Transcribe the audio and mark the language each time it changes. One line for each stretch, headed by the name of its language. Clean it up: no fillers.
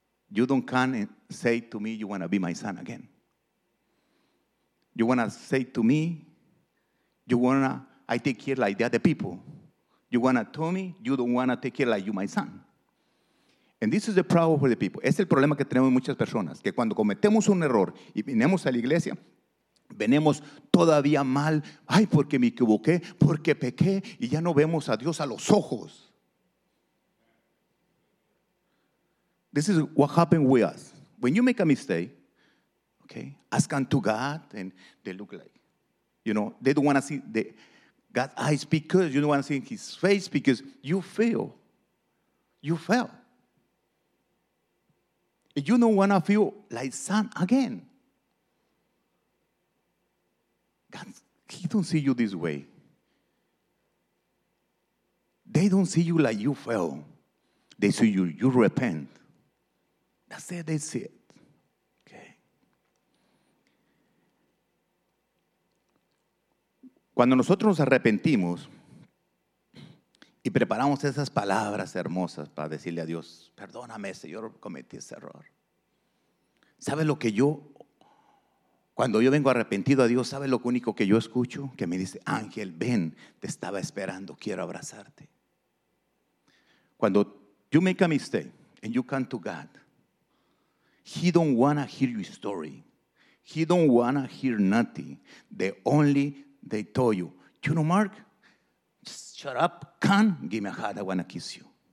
English: You don't come and say to me you want to be my son again. You want to say to me, I take care like the other people. You want to tell me you don't want to take care like you, my son. And this is the problem for the people.
Spanish: Es el problema que tenemos muchas personas, que cuando cometemos un error y venimos a la iglesia, venimos todavía mal. Ay, porque me equivoqué, porque pequé, y ya no vemos a Dios a los ojos.
English: This is what happened with us. When you make a mistake, okay, ask unto God, and they look like, you know, they don't want to see the God's eyes because you don't want to see his face because you fell. You don't want to feel like son again. God, he don't see you this way. They don't see you like you fell. They see you repent. That's it, they see it. Okay.
Spanish: Cuando nosotros nos arrepentimos y preparamos esas palabras hermosas para decirle a Dios, perdóname, Señor, cometí ese error. ¿Sabe lo que yo, cuando yo vengo arrepentido a Dios, sabe lo único que yo escucho? Que me dice, ángel, ven, te estaba esperando, quiero abrazarte. Cuando
English: you make a mistake and you come to God, he don't want to hear your story. He don't want to hear nothing. The only they told you, you know, Mark, just shut up, come, give me a hug, I want to kiss you.